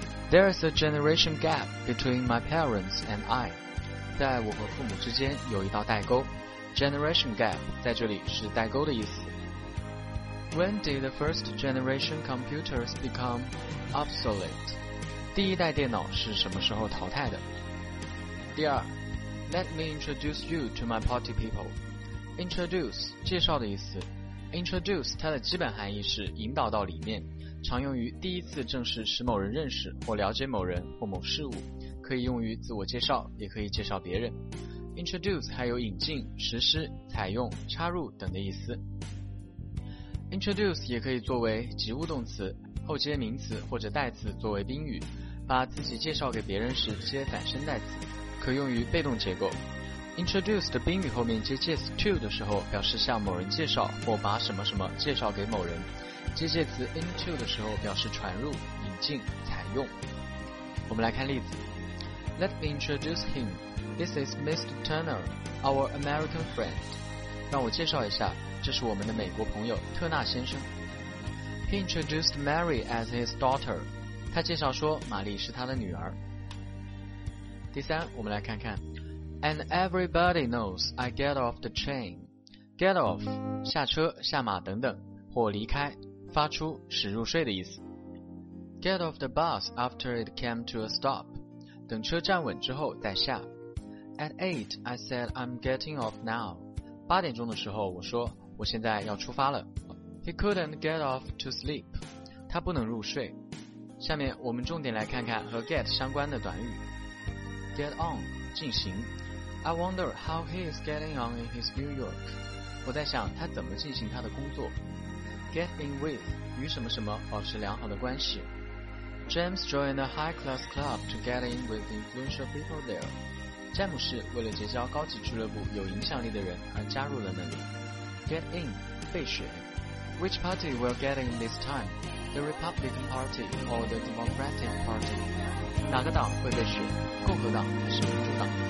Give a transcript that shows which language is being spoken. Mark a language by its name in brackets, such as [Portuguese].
[English] There is a generation gap between my parents and I. [Chinese] 在我和父母之间有一道代沟。 Generation gap 在这里是代沟的意思。 [English] When did the first generation computers become obsolete? [Chinese] 第一代电脑是什么时候淘汰的？ [English] 第二， Let me introduce you to my party people. [Chinese] Introduce, 介绍的意思。 Introduce, 它的基本含义是引导到里面，常用于第一次正式使某人认识或了解某人或某事物，可以用于自我介绍，也可以介绍别人。 Introduce 还有引进、实施、采用、插入等的意思。 Introduce 也可以作为及物动词，后接名词或者代词作为宾语，把自己介绍给别人时接反身代词，可用于被动结构。 Introduce 的宾语后面接介词 to 的时候，表示向某人介绍或把什么什么介绍给某人，接介词 into 的时候表示传入、引进、采用。我们来看例子。 [English] Let me introduce him. This is Mr. Turner, our American friend. [Chinese] 让我介绍一下，这是我们的美国朋友特纳先生。 [English] He introduced Mary as his daughter. [Chinese] 他介绍说玛丽是他的女儿。第三，我们来看看。 [English] And everybody knows I get off the train. [Chinese] Get off, 下车、下马等等，或离开、发出、驶入睡的意思。 [English] Get off the bus after it came to a stop. [Chinese] 等车站稳之后再下。 [English] At 8, I said I'm getting off now. [Chinese] 八点钟的时候我说我现在要出发了。 [English] He couldn't get off to sleep. [Chinese] 他不能入睡。下面我们重点来看看和 get 相关的短语。 [English] Get on, 进行。I wonder how he is getting on in his New York. [Chinese] 我在想他怎么进行他的工作。 Get in with, 与什么什么保持良好的关系。 [English] James joined a high class club to get in with influential people there. [Chinese] 詹姆士为了结交高级俱乐部有影响力的人而加入了那里。 [English] Get in, 被选。Which party will get in this time? The Republican Party or the Democratic Party? [Chinese] 哪个党会被选？共和党还是民主党？